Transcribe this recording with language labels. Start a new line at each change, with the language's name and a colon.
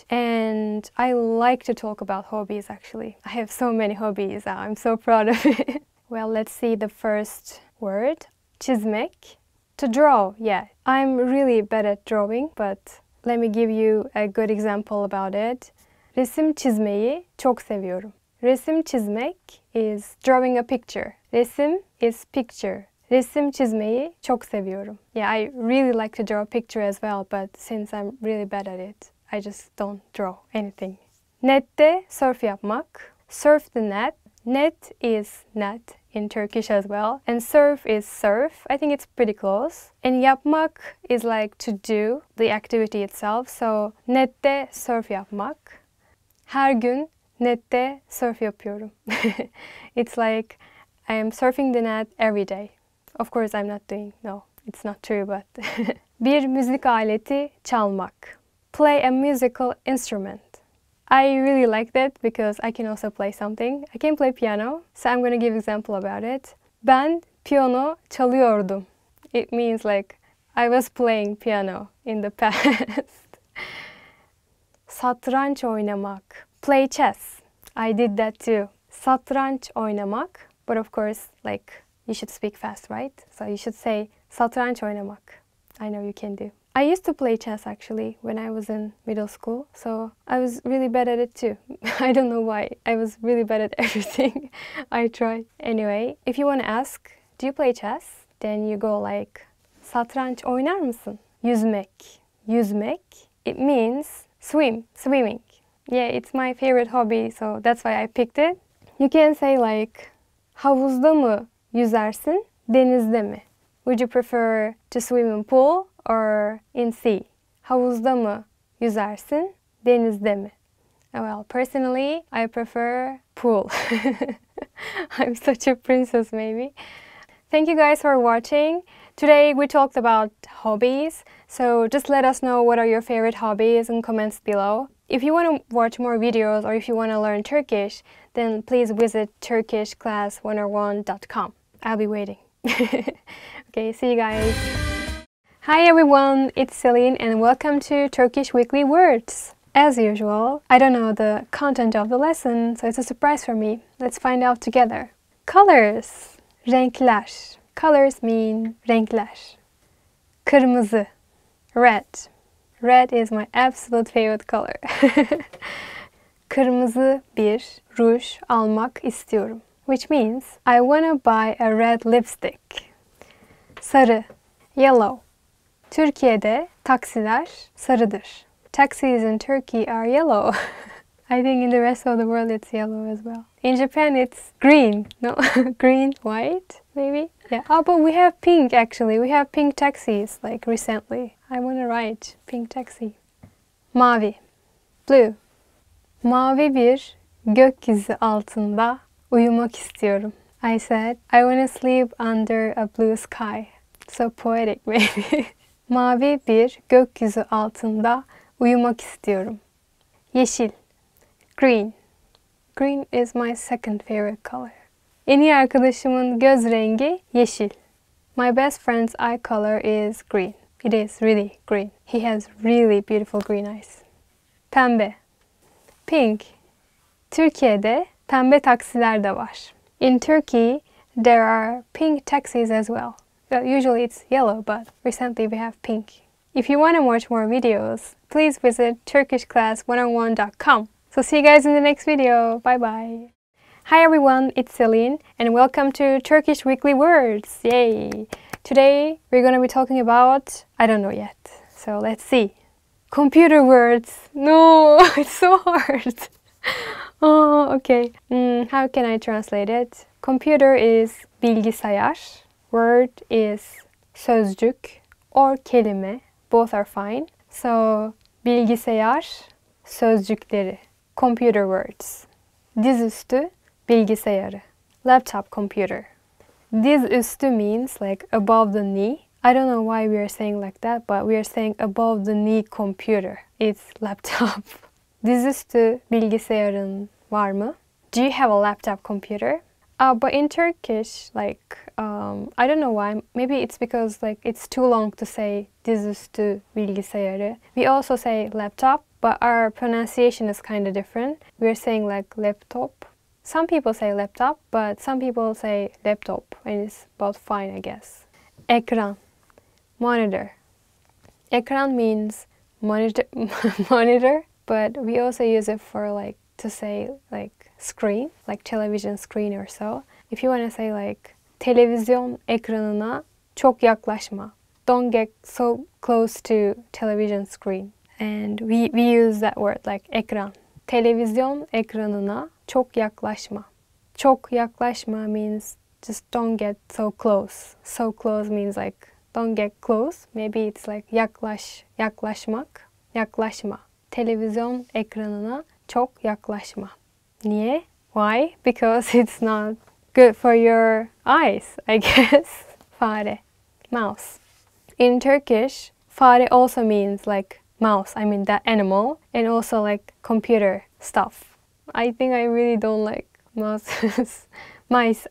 English: And I like to talk about hobbies, actually. I have so many hobbies. I'm so proud of it. Well, let's see the first word. Çizmek. To draw, yeah. I'm really bad at drawing, but let me give you a good example about it.
Turkish: Resim çizmeyi çok seviyorum. Resim çizmek
English: is drawing a picture.
Turkish: Resim
English: is picture.
Turkish: Resim çizmeyi çok seviyorum.
English: Yeah, I really like to draw a picture as well, but since I'm really bad at it, I just don't draw anything.
Turkish: Nette surf yapmak.
English: Surf the net. Net is net in Turkish as well. And surf is surf. I think it's pretty close. And yapmak is like to do the activity itself.
Turkish: So nette surf yapmak. Her gün nette surf yapıyorum.
English: It's like I am surfing the net every day. Of course, I'm not doing, no, it's not true, but...
Turkish: Bir müzik aleti çalmak.
English: Play a musical instrument. I really like that because I can also play something. I can play piano, so I'm gonna give example about it.
Turkish: Ben piyano çalıyordum.
English: It means like, I was playing piano in the past.
Turkish: Satranç oynamak.
English: Play chess. I did that too.
Turkish: Satranç oynamak,
English: but of course, like... You should speak fast, right? So you should say
Turkish: satranç oynamak.
English: I know you can do. I used to play chess actually when I was in middle school. So I was really bad at it too. I don't know why. I was really bad at everything. I tried. Anyway, if you want to ask, do you play chess? Then you go like
Turkish: satranç oynar mısın? Yüzmek. Yüzmek.
English: It means swim. Swimming. Yeah, it's my favorite hobby. So that's why I picked it. You can say like
Turkish: havuzda mı? Yüzersin denizde mi?
English: Would you prefer to swim in pool or in sea?
Turkish: Havuzda mı yüzersin denizde mi?
English: Well, personally, I prefer pool. I'm such a princess, maybe. Thank you guys for watching. Today we talked about hobbies. So just let us know what are your favorite hobbies in comments below. If you want to watch more videos or if you want to learn Turkish, then please visit TurkishClass101.com. I'll be waiting. Okay, see you guys. Hi everyone, it's Celine and welcome to Turkish Weekly Words. As usual, I don't know the content of the lesson, so it's a surprise for me. Let's find out together. Colors. Renkler. Colors mean renkler. Kırmızı. Red. Red is my absolute favorite color.
Turkish: Kırmızı bir ruj almak istiyorum.
English: Which means, I wanna buy a red lipstick. Sarı, yellow.
Turkish: Türkiye'de taksiler sarıdır.
English: Taxis in Turkey are yellow. I think in the rest of the world it's yellow as well. In Japan it's green. No, green, white, maybe? Yeah. Oh, but we have pink actually. We have pink taxis, like recently. I wanna ride pink taxi. Mavi, blue.
Turkish: Mavi bir gökyüzü altında uyumak istiyorum.
English: I said, I want to sleep under a blue sky. So poetic, maybe.
Turkish: Mavi bir gökyüzü altında uyumak istiyorum.
English: Yeşil. Green. Green is my second favorite color.
Turkish: En iyi arkadaşımın göz rengi yeşil.
English: My best friend's eye color is green. It is really green. He has really beautiful green eyes. Pembe. Pink.
Turkish: Türkiye'de pembe taksiler de var.
English: In Turkey, there are pink taxis as well. Well, usually it's yellow, but recently we have pink. If you want to watch more videos, please visit TurkishClass101.com. So see you guys in the next video. Bye-bye. Hi everyone, it's Celine, and welcome to Turkish Weekly Words. Yay! Today, we're going to be talking about... I don't know yet. So let's see. Computer words. No, it's so hard. Oh, okay. How can I translate it? Computer is bilgisayar. Word is sözcük or kelime. Both are fine.
Turkish: So, bilgisayar, sözcükleri.
English: Computer words.
Turkish: Dizüstü, bilgisayarı.
English: Laptop computer. Dizüstü means like above the knee. I don't know why we are saying like that, but we are saying above the knee computer. It's laptop.
Turkish: Dizüstü bilgisayarın var mı?
English: Do you have a laptop computer? But in Turkish, I don't know why. Maybe it's because it's too long to say
Turkish: dizüstü bilgisayarı.
English: We also say laptop, but our pronunciation is kind of different. We're saying laptop. Some people say laptop, but some people say laptop, and it's both fine, I guess. Ekran, monitor. Ekran means monitor, but we also use it for to say screen, television screen or so. If you want to say
Turkish: televizyon ekranına çok yaklaşma.
English: Don't get so close to television screen. And we use that word ekran.
Turkish: Televizyon ekranına çok yaklaşma. Çok yaklaşma
English: means just don't get so close. So close means don't get close. Maybe it's
Turkish: yaklaşmak. Yaklaşma. Televizyon ekranına çok yaklaşma.
English: Niye? Why? Because it's not good for your eyes, I guess. Fare. Mouse. In Turkish, fare also means mouse. I mean that animal. And also computer stuff. I think I really don't like mouses. Mice.